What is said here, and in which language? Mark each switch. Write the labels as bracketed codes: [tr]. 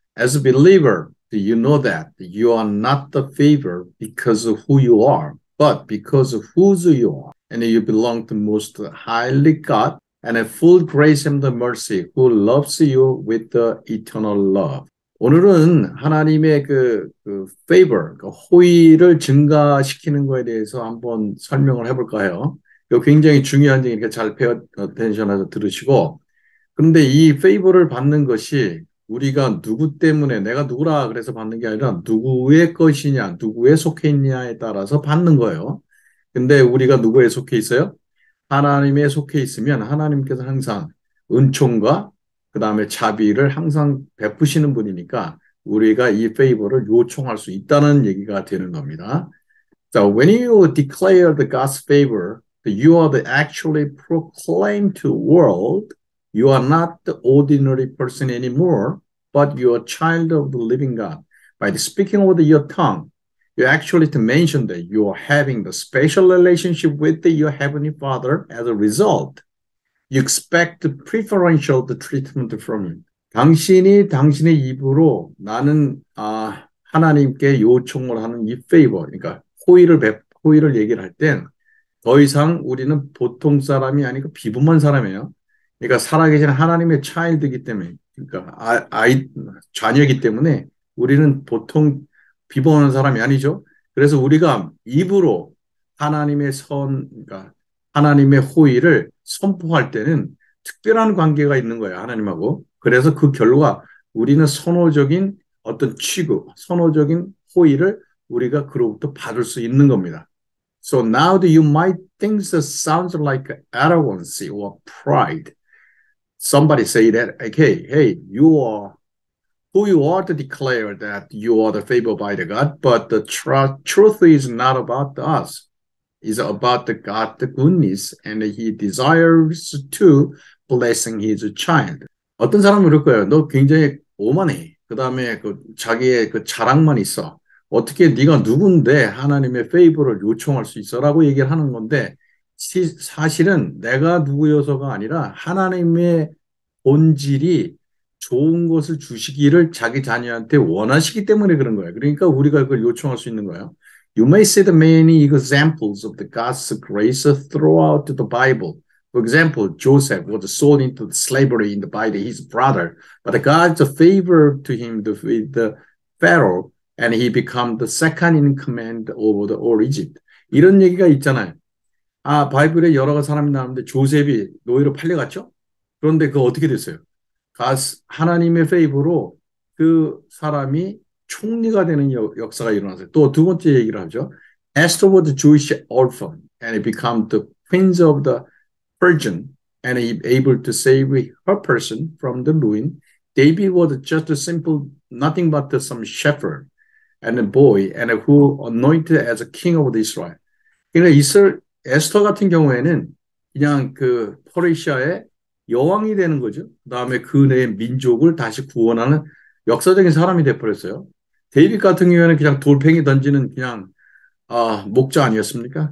[en] As a believer, do you know that you are not the favor because of who you are, but because of whose you are, and you belong to most highly God and a full grace and the mercy who loves you with the eternal love. [ko] 오늘은 하나님의 그 favor, 그 호의를 증가시키는 거에 대해서 한번 설명을 해볼까요? 이거 굉장히 중요한 얘기니까 잘 패어텐션해서 들으시고. 그런데 이 페이버를 받는 것이 우리가 누구 때문에, 내가 누구라 그래서 받는 게 아니라 누구의 것이냐, 누구에 속해 있냐에 따라서 받는 거예요. 근데 우리가 누구에 속해 있어요? 하나님에 속해 있으면 하나님께서 항상 은총과 그다음에 자비를 항상 베푸시는 분이니까 우리가 이 페이버를 요청할 수 있다는 얘기가 되는 겁니다. [en] So when you declare the God's favor, you are the actually proclaimed to world. You are not the ordinary person anymore, but you are a child of the living God. By the speaking with your tongue, you actually to mention that you are having the special relationship with your heavenly Father. As a result, you expect the preferential the treatment from him. [ko] 당신이 당신의 입으로 나는 하나님께 요청을 하는 이 favor, 그러니까 호의를 얘기를 할 땐. 더 이상 우리는 보통 사람이 아니고 비범한 사람이에요. 그러니까 살아계신 하나님의 차일드이기 때문에, 그러니까 자녀이기 때문에 우리는 보통 비범한 사람이 아니죠. 그래서 우리가 입으로 그러니까 하나님의 호의를 선포할 때는 특별한 관계가 있는 거예요, 하나님하고. 그래서 그 결과 우리는 선호적인 어떤 취급, 선호적인 호의를 우리가 그로부터 받을 수 있는 겁니다. [en] So now you might think that sounds like arrogancy or pride. Somebody say that, okay, hey, who you are to declare that you are the favored by the God, but the truth is not about us. It's about the God, the goodness, and he desires to blessing his child. [ko] 어떤 사람은 그럴 거예요. 너 굉장히 오만해. 그다음에 그 자기의 그 자랑만 있어. 어떻게 네가 누군데 하나님의 페이보를 요청할 수 있어라고 얘기를 하는 건데 사실은 내가 누구여서가 아니라 하나님의 본질이 좋은 것을 주시기를 자기 자녀한테 원하시기 때문에 그런 거예요. 그러니까 우리가 그걸 요청할 수 있는 거예요. [en] You may see the many examples of the God's grace throughout the Bible. For example, Joseph was sold into slavery in the by his brother, but God's favor to him with the Pharaoh. And he become the second in command over the all Egypt. [ko] 이런 얘기가 있잖아요. 아, 바이블에 여러 가지 사람이 나오는데 조셉이 노예로 팔려갔죠? 그런데 그 어떻게 됐어요? 하나님의 페이보로 그 사람이 총리가 되는 역사가 일어났어요. 또두 번째 얘기를 하죠. [en] Esther was a Jewish orphan and he become the prince of the Persian and he able to save her person from the ruin. David was just a simple, nothing but some shepherd. And a boy, and a who anointed as a king of Israel. [ko] 그러니까 에스터 같은 경우에는 그냥 그 페르시아의 여왕이 되는 거죠. 그다음에 그 내의 민족을 다시 구원하는 역사적인 사람이 되어버렸어요. 데이빗 같은 경우에는 그냥 돌팽이 던지는 그냥 목자 아니었습니까?